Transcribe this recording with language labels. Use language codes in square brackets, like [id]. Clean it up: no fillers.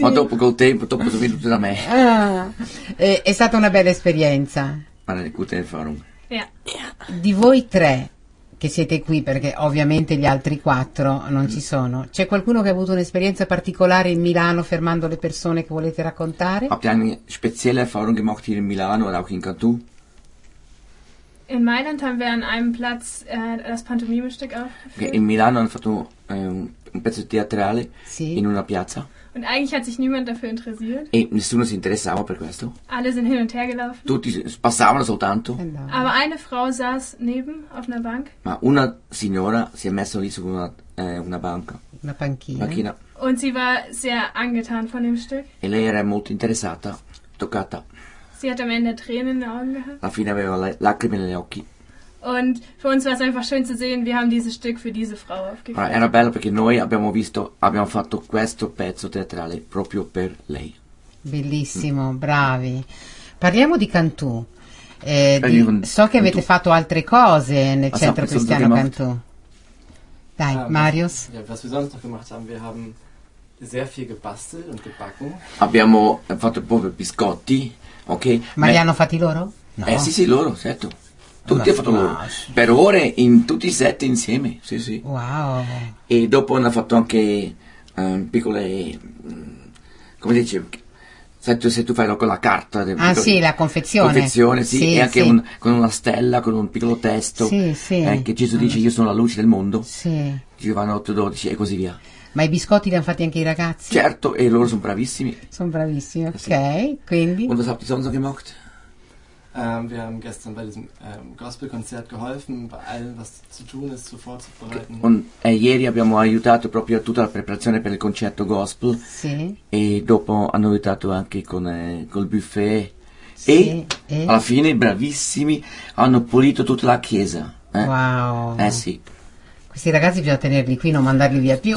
[it] Ma dopo col tempo, dopo sono venuto da me. Ah, è stata una bella esperienza. Ma nel Kutel Forum. Di voi tre che siete qui, perché ovviamente gli altri quattro non ci sono, c'è qualcuno che ha avuto un'esperienza particolare in Milano fermando le persone che volete raccontare? Abbiamo [de] spezielle Erfahrung gemacht hier in Milano oder auch in Cantù? In Mailand haben wir an einem Platz das Pantomime-Stück aufgeführt. [it] In Milano hanno fatto un pezzo teatrale, sì, in una piazza. [de] Und eigentlich hat sich niemand dafür interessiert. [it] E nessuno si interessava per questo. [de] Alle sind hin und her gelaufen. [it] Tutti passavano soltanto. [de] Aber eine Frau saß neben auf einer Bank. [it] Ma una signora si è messa lì su una banca. Una panchina. [de] Und sie war sehr angetan von dem Stück. [it] E lei era molto interessata, toccata. [de] Sie hat am Ende Tränen in den Augen gehabt. [it] Alla fine aveva lacrime negli occhi. [de] Und für uns war es einfach schön zu sehen, wir haben dieses Stück für diese Frau aufgeführt. [it] Era bello perché noi abbiamo visto, abbiamo fatto questo pezzo teatrale proprio per lei. Bellissimo, bravi. Parliamo di Cantù. So che avete fatto altre cose nel Centro Cristiano Cantù. Dai, Marius. [de] Ja, was wir sonst noch gemacht haben, wir haben sehr viel gebastelt und gebacken. [it] Abbiamo fatto proprio biscotti, ok? Ma li hanno fatti loro? No. Sì, sì, loro, certo. Tutti hanno fatto per ore in tutti i set insieme, sì sì. Wow. E dopo hanno fatto anche piccole, come dice, se tu fai con la carta. Ah, piccole, sì, la confezione. Confezione, sì, sì, e anche sì. Con una stella, con un piccolo testo. Sì, sì. Che Gesù dice, io sono la luce del mondo. Sì. Giovanni 8:12 e così via. Ma i biscotti li hanno fatti anche i ragazzi? Certo, e loro sono bravissimi. Sono bravissimi, ok, sì. Quindi. [de] Und was habt ihr sonst gemacht? Wir haben gestern bei diesem Gospel-Konzert geholfen, bei allem, was zu tun ist, sofort zu vorbereiten. [it] Und ieri abbiamo aiutato proprio a tutta la preparazione per il concerto gospel. Sì. E dopo hanno aiutato anche con col buffet. Sì. E alla fine, bravissimi, hanno pulito tutta la chiesa. Wow. Sì. Questi ragazzi bisogna tenerli qui, non mandarli via più.